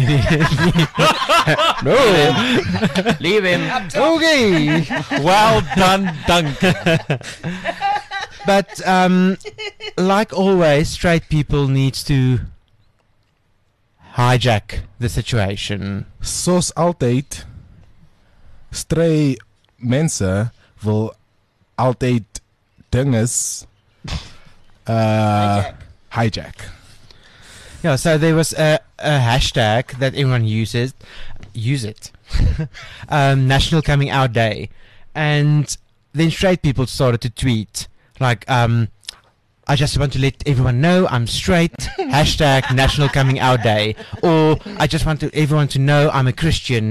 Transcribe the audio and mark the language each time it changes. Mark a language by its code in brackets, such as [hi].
[en] No. Leave him. Okay. Well done, Dunk. But like always, straight people needs to hijack the situation. [af] Soos altijd, stray mensen wil altijd dinges hijack. [en] Yeah, so there was a hashtag that everyone uses. Use it. National Coming Out Day. And then straight people started to tweet. Like, I just want to let everyone know I'm straight. Hashtag National Coming Out Day. Or I just want everyone to know I'm a Christian.